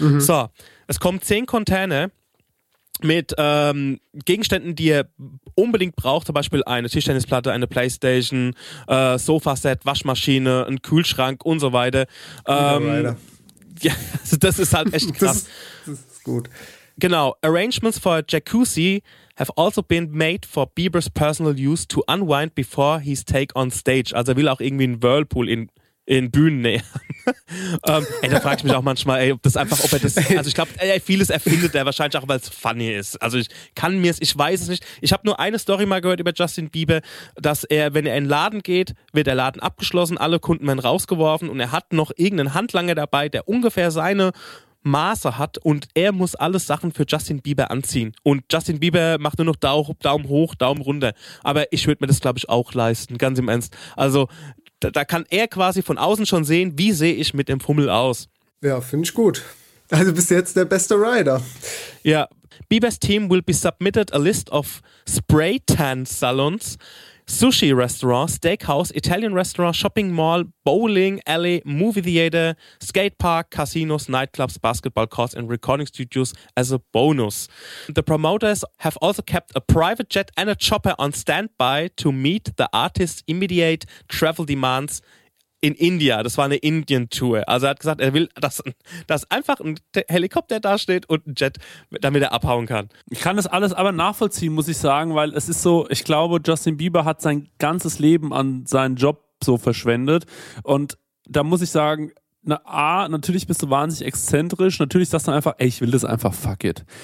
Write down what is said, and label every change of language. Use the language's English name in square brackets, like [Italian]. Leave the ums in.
[German] So, es kommen zehn Container mit ähm, Gegenständen, die er unbedingt braucht, zum Beispiel eine Tischtennisplatte, eine Playstation, äh, Sofaset, Waschmaschine, ein Kühlschrank und so weiter. Ähm, Rider. ja, also das ist halt echt krass. Das, ist- das ist gut. Genau. [English] Arrangements for a jacuzzi have also been made for Bieber's personal use to unwind before his take on stage. [German] Also er will auch irgendwie einen Whirlpool in in Bühnennähe. ähm, ey, da frage ich mich auch manchmal, ey, ob das einfach, ob er das, also ich glaube, vieles erfindet er wahrscheinlich auch, weil es funny ist. Also ich kann mir es, ich weiß es nicht. Ich habe nur eine Story mal gehört über Justin Bieber, dass er, wenn er in den Laden geht, wird der Laden abgeschlossen, alle Kunden werden rausgeworfen und er hat noch irgendeinen Handlanger dabei, der ungefähr seine Maße hat und er muss alles Sachen für Justin Bieber anziehen. Und Justin Bieber macht nur noch Dau- Daumen hoch, Daumen runter. Aber ich würde mir das, glaube ich, auch leisten, ganz im Ernst. Also da, da kann er quasi von außen schon sehen, wie sehe ich mit dem Fummel aus. Ja, finde ich gut. Also bis jetzt der beste Rider. [English] Ja, Biebers Team will be submitted a list of spray tan salons, sushi restaurants, steakhouse, Italian restaurant, shopping mall, bowling alley, movie theater, skate park, casinos, nightclubs, basketball courts and recording studios as a bonus. The promoters have also kept a private jet and a chopper on standby to meet the artist's immediate travel demands in India. [German] Das war eine Indien-Tour. Also er hat gesagt, er will, dass, dass einfach ein Te- Helikopter dasteht und ein Jet, damit er abhauen kann. Ich kann das alles aber nachvollziehen, muss ich sagen, weil es ist so, ich glaube, Justin Bieber hat sein ganzes Leben an seinen Job so verschwendet. Und da muss ich sagen, na, A, natürlich bist du wahnsinnig exzentrisch, natürlich sagst du einfach, ey, ich will das einfach, [English] fuck it.